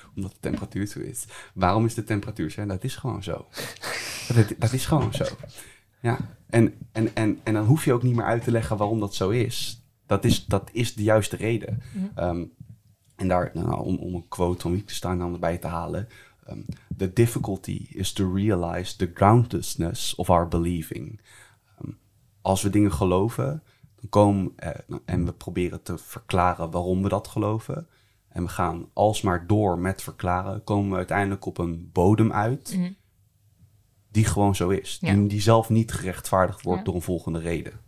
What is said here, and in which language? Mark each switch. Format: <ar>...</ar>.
<nl>Omdat de temperatuur zo is. Waarom is de temperatuur zo? Dat is gewoon zo. Dat is gewoon zo. Ja. En dan hoef je ook niet meer uit te leggen waarom dat zo is. Dat is de juiste reden. Mm-hmm. En daar, nou, om een quote van Wittgenstein dan erbij te halen.</nl> <en>The difficulty is to realize the groundlessness of our believing.</en> <nl>Als we dingen geloven, dan komen en we proberen te verklaren waarom we dat geloven. En we gaan alsmaar door met verklaren, komen we uiteindelijk op een bodem uit. Mm-hmm. die gewoon zo is. Ja. Die zelf niet gerechtvaardigd wordt door een volgende reden.</nl>